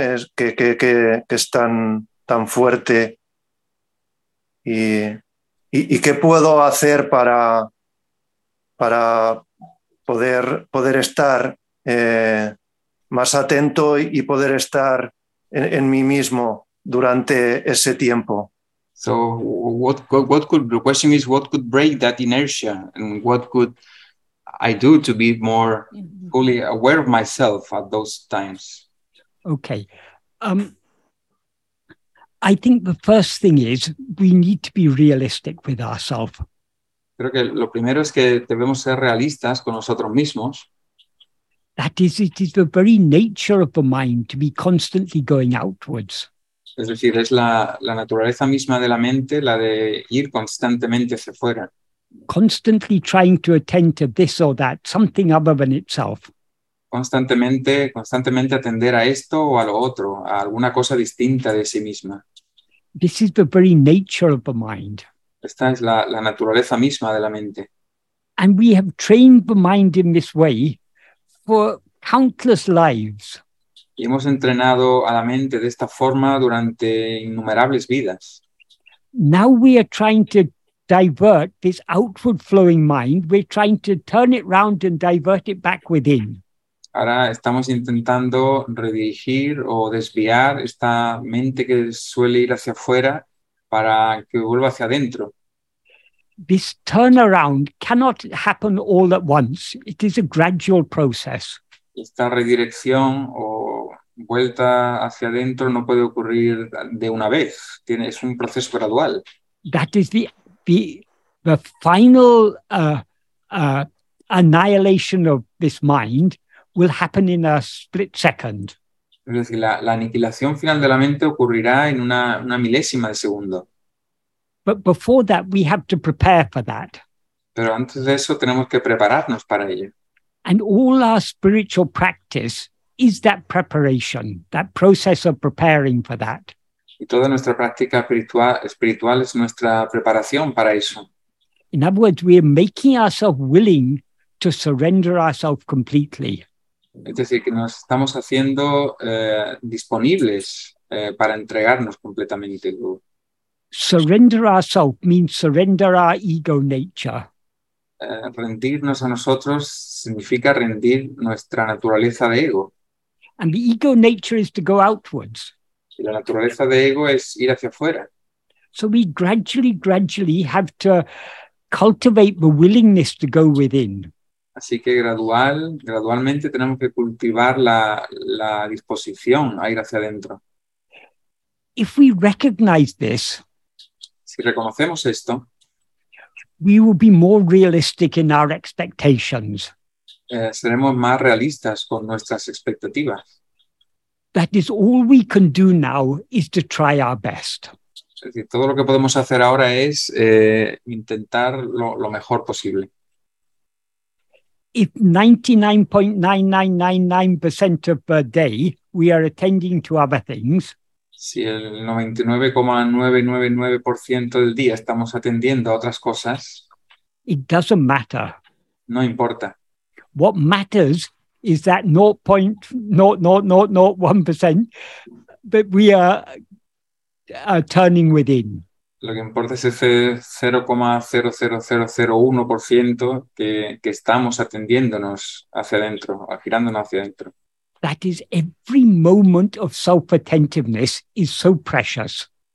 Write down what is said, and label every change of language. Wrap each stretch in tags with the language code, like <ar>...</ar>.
<es>Es que es tan fuerte y qué puedo hacer para poder estar más atento y poder estar en mí mismo durante ese tiempo.</es> <en>So the question is, what could break that inertia and what could I do to be more fully aware of myself at those times? Okay. I think the first thing is we need to be realistic with ourselves.</en> <es>Creo que lo primero es que debemos ser realistas con nosotros mismos.</es> <en>That is, it is the very nature of the mind to be constantly going outwards.</en> <es>Es decir, es la naturaleza misma de la mente la de ir constantemente hacia fuera.</es> <en>Constantly trying to attend to this or that, something other than itself.</en> <es>Constantemente atender a esto o a lo otro, a alguna cosa distinta de sí misma.</es> <en>This is the very nature of the mind.</en> <es>Esta es la naturaleza misma de la mente.</es> <en>And we have trained the mind in this way for countless lives.</en> <es>Y hemos entrenado a la mente de esta forma durante innumerables vidas.</es> <en>Now we are trying to divert this outward flowing mind, we're trying to turn it round and divert it back within.</en> <es>Ahora estamos intentando redirigir o desviar esta mente que suele ir hacia afuera para que vuelva hacia adentro.</es> <en>This turnaround cannot happen all at once. It is a gradual process.</en> <es>Esta redirección o vuelta hacia adentro no puede ocurrir de una vez. Es un proceso gradual.</es> <en>That is the final annihilation of this mind will happen in a split second.</en> <es>Es decir, la aniquilación final de la mente ocurrirá en una milésima de segundo.</es> <en>But before that, we have to prepare for that.</en> <es>Pero antes de eso, tenemos que prepararnos para ello.</es> <en>And all our spiritual practice is that preparation, that process of preparing for that.</en> <es>Y toda nuestra práctica espiritual es nuestra preparación para eso.</es> <en>In other words, we are making ourselves willing to surrender ourselves completely.</en> <es>Es decir, que nos estamos haciendo disponibles para entregarnos completamente.</es> <en>Surrender ourselves means surrender our ego nature.</en> <es>Rendirnos a nosotros significa rendir nuestra naturaleza de ego.</es> <en>And the ego nature is to go outwards.</en> <es>Y la naturaleza de ego es ir hacia afuera.</es> <en>So we gradually have to cultivate the willingness to go within.</en> <es>Así que gradualmente tenemos que cultivar la disposición a ir hacia adentro.</es> <en>If we recognize this,</en> <es>si reconocemos esto,</es> <en>we will be more realistic in our expectations.</en> <es>Seremos más realistas con nuestras expectativas.</es> <en>That is all we can do now is to try our best.</en> <es>Es decir, todo lo que podemos hacer ahora es intentar lo mejor posible.</es> <en>If 99.9999% of the day we are attending to other things,</en> <es>si el 99,999% del día estamos atendiendo a otras cosas,</es> <en>it doesn't matter.</en> <es>No importa.</es> <en>What matters is that 0.0001% that we are turning within.</en> <es>Lo que importa es ese 0,00001% que estamos atendiéndonos hacia adentro, girándonos hacia adentro.</es> <en>That is, every moment of self-attentiveness is so precious.</en>